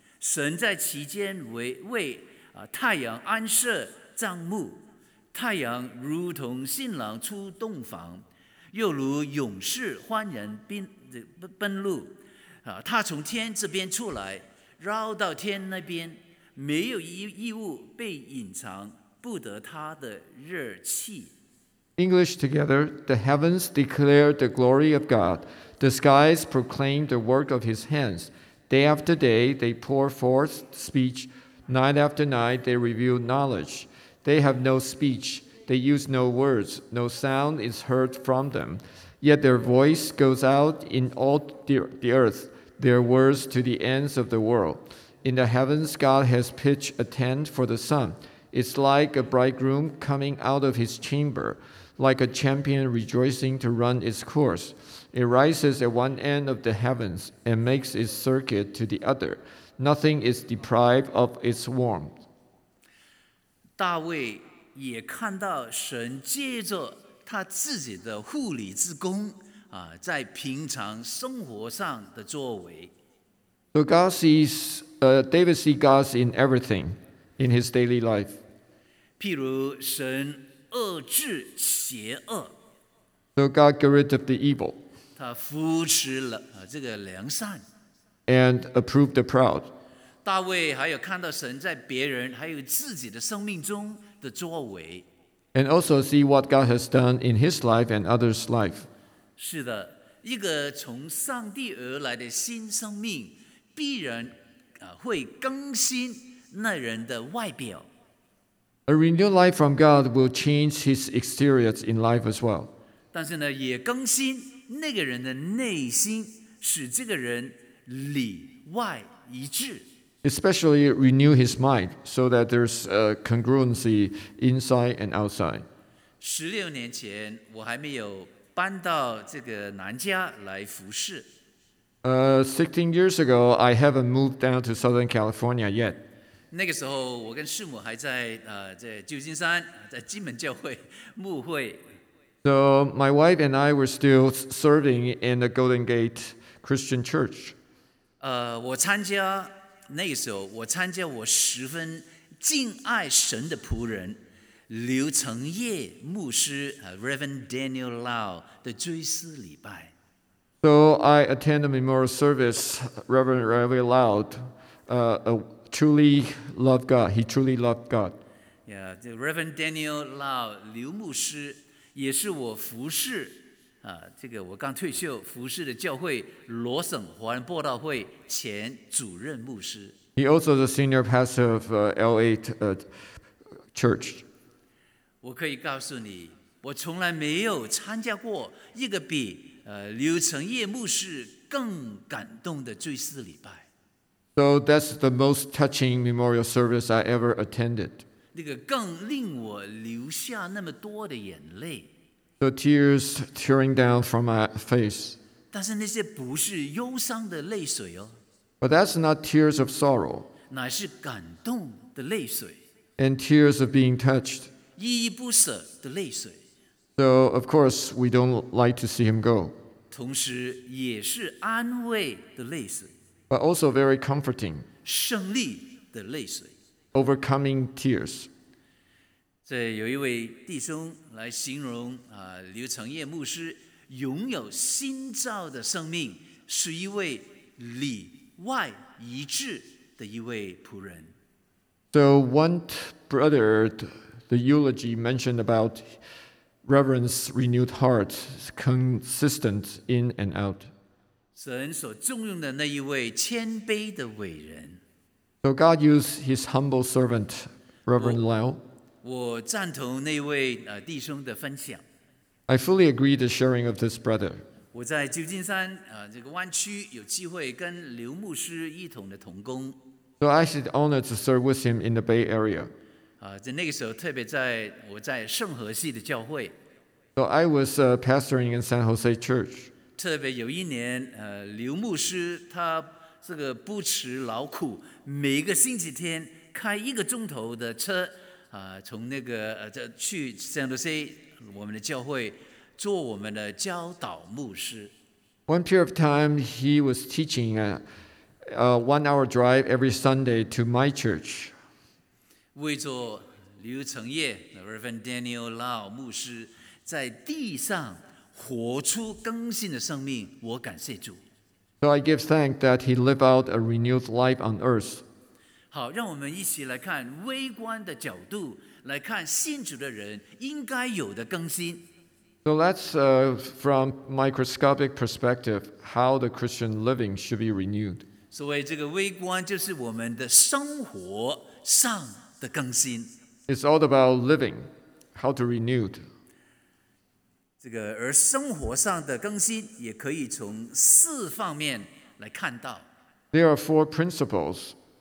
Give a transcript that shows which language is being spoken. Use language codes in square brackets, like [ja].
[zh] 神在其间为太阳安设帐幕，太阳如同新郎出洞房，又如勇士欢人奔路。他从天这边出来，绕到天那边，没有异物被隐藏，不得他的热气。 [en] English together, the heavens declare the glory of God, the skies proclaim the work of his hands. Day after day, they pour forth speech. Night after night, they reveal knowledge. They have no speech. They use no words. No sound is heard from them. Yet their voice goes out in all the earth, their words to the ends of the world. In the heavens, God has pitched a tent for the sun. It's like a bridegroom coming out of his chamber, like a champion rejoicing to run its course. It rises at one end of the heavens and makes its circuit to the other. Nothing is deprived of its warmth. [zh] 大卫也看到神借着他自己的护理之工在平常生活上的作为。 [en] So God sees, David sees God in everything, in his daily life. [zh] 譬如神遏制邪恶。 [en] So God got rid of the evil. [zh] 他扶持了这个良善 [en] ，and approved the proud。 [zh] 大卫还有看到神在别人还有自己的生命中的作为 [en] ，and also see what God has done in his life and others' life。 [zh] 是的，一个从上帝而来的新生命必然会更新那人的外表。 [en] A renewed life from God will change his exterior in life as well。 [zh] 但是呢，也更新。那个人的内心使这个人里外一致 [en] especially renew his mind so that there's a congruency inside and outside [zh] 16年前我还没有搬到这个南加来服事 [en] 16 years ago I haven't moved down to Southern California yet [zh] 那个时候我跟师母还在旧金山在金门教会牧会 [en] So my wife and I were still serving in the Golden Gate Christian Church. [zh] 我参加那个时候，我参加我十分敬爱神的仆人刘成业牧师Reverend Daniel Lau 的追思礼拜。 [en] So I attend a memorial service, Reverend Riley Lau, truly loved God. He truly loved God. Yeah, Reverend Daniel Lau, 刘牧师。 [zh] 也是我服侍这个我刚退休服侍的教会罗省华人播道会前主任牧师。 [en] He also the senior pastor of LA church. [zh] 我可以告诉你，我从来没有参加过一个比刘成业牧师更感动的追思礼拜。 [en] So that's the most touching memorial service I ever attended. [zh] 那个更令我流下那么多的眼泪。 [en] The tears tearing down from my face. [zh] 但是那些不是忧伤的泪水哦。 [en] But that's not tears of sorrow. [zh] 乃是感动的泪水。 [en] And tears of being touched. [zh] 依依不舍的泪水。 [en] So of course we don't like to see him go. [zh] 同时也是安慰的泪水。 [en] But also very comforting. [zh] 胜利的泪水。 [en] Overcoming tears. [zh] 这有一位弟兄来形容刘成业牧师拥有新造的生命，是一位里外一致的一位仆人。 [en] So one brother, the eulogy mentioned about Reverend's renewed heart, consistent in and out. [zh] 神所重用的那一位谦卑的伟人。 [en] So God used his humble servant, Reverend Lau. [zh] 我赞同那位弟兄的分享。 [en] I fully agree the sharing of this brother. [zh] 我在旧金山这个湾区有机会跟刘牧师一同的同工。 [en] So I had the honor to serve with him in the Bay Area. [zh] 在那个时候，特别在我在圣何西的教会。 [en] So I was pastoring in San Jose Church. [zh] 特别有一年，刘牧师他这个不辞劳苦，每个星期天开一个钟头的车，从那个去 San Jose 我们的教会做我们的教导牧师。 [en] One period of time he was teaching a one-hour drive every Sunday to my church. [zh] 为着刘成业 Reverend Daniel Lau 牧师在地上活出更新的生命，我感谢主。 [en] So I give thanks that he lived out a renewed life on earth. [zh] 好，让我们一起来看微观的角度，来看信主的人应该有的更新。 [en] So that's from microscopic perspective, how the Christian living should be renewed. [zh] 所谓这个微观，就是我们的生活上的更新。 [en] It's all about living, how to renew. [zh] 这个而生活上的更新也可以从四方面来看到。 [en] There are four principles.